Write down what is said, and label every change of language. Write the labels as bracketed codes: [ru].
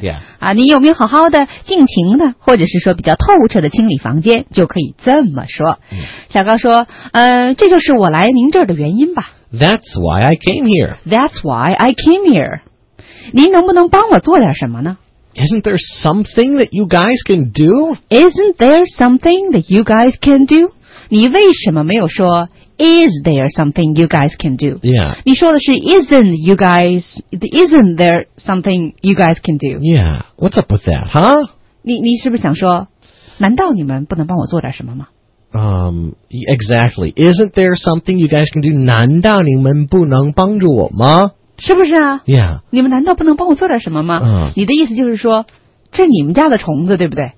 [en] Yeah. [zh] 啊，你有没有好好的、尽情的，或者是说比较透彻的清理房间，就可以这么说。小高说，这就是我来您这儿的原因吧。 [en] That's why I came here. That's why I came here. [zh] 您能不能帮我做点什么呢？ [en] Isn't there something that you guys can do? Isn't there something that you guys can do? [zh] 你为什么没有说 [en] Is there something you guys can do? Yeah. [zh] 你说的是 [en] Isn't there something you guys can do? Yeah. What's up with that, huh? [zh] 你是不是想说，难道你们不能帮我做点什么吗？ [en] Exactly. Isn't there something you guys can do? [zh] 难道你们不能帮助我吗？是不是啊 [en] ？Yeah. [zh] 你们难道不能帮我做点什么吗？你的意思就是说，这你们家的虫子，对不对